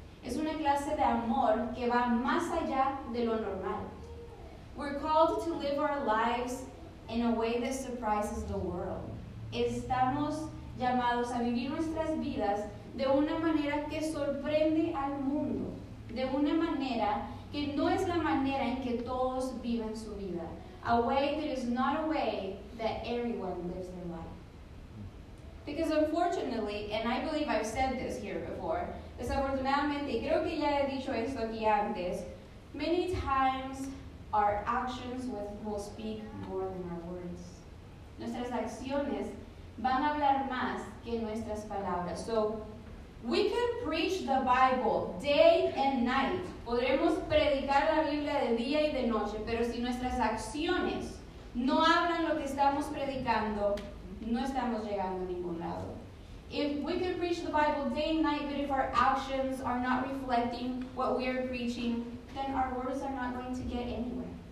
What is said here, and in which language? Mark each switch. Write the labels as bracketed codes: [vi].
[es] Es una clase de amor que va más allá de lo normal. [en] We're called to live our lives in a way that surprises the world. [es] Estamos llamados a vivir nuestras vidas de una manera que sorprende al mundo, de una manera que no es la manera en que todos viven su vida. [en] A way that is not a way that everyone lives their life. Because unfortunately, and I believe I've said this here before, [es] desafortunadamente, creo que ya he dicho esto aquí antes, [en] many times our actions will speak more than our words. [es] Nuestras acciones van a hablar más que nuestras palabras. [en] So, we can preach the Bible day and night. [es] Podremos predicar la Biblia de día y de noche, pero si nuestras acciones no hablan lo que estamos predicando, no estamos llegando a ningún lado. [en] If we can preach the Bible day and night, but if our actions are not reflecting what we are preaching, then our words are not going to get anywhere.